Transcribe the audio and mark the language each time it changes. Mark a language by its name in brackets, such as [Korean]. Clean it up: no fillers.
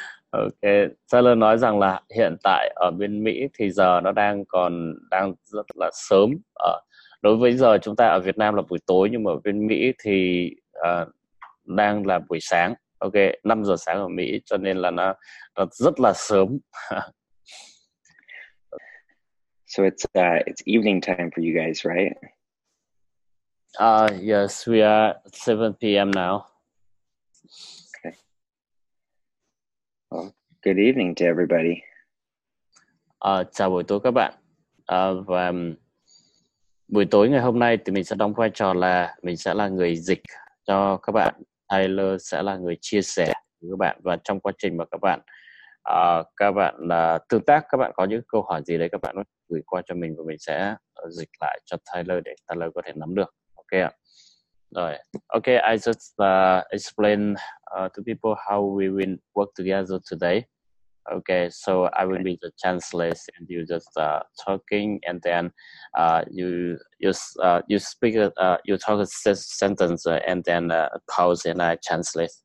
[Vietnamese] Okay, Taylor nói rằng là hiện tại ở bên Mỹ thì giờ nó đang rất là sớm. Đối với giờ chúng ta ở Việt Nam là buổi tối, nhưng mà ở bên Mỹ thì đang là buổi sáng. Okay, 5 giờ sáng ở Mỹ, cho nên là nó rất là sớm. [English] So it's evening time for you guys, right? Yes, we are 7 p.m. now. Okay. Well, good evening to everybody. [Vietnamese] Chào buổi tối các bạn. Và buổi tối ngày hôm nay thì mình sẽ đóng vai trò là mình sẽ là người dịch cho các bạn. Taylor sẽ là người chia sẻ với các bạn, và trong quá trình mà các bạn là tương tác, các bạn có những câu hỏi gì đấy, các bạn gửi qua cho mình và mình sẽ dịch lại cho Taylor để Taylor có thể nắm được. Ok ạ. Rồi. [English] Ok, I just explain to people how we will work together today. Ok, so I will be the translator and you just talking, and then you talk a sentence and then pause and I translate.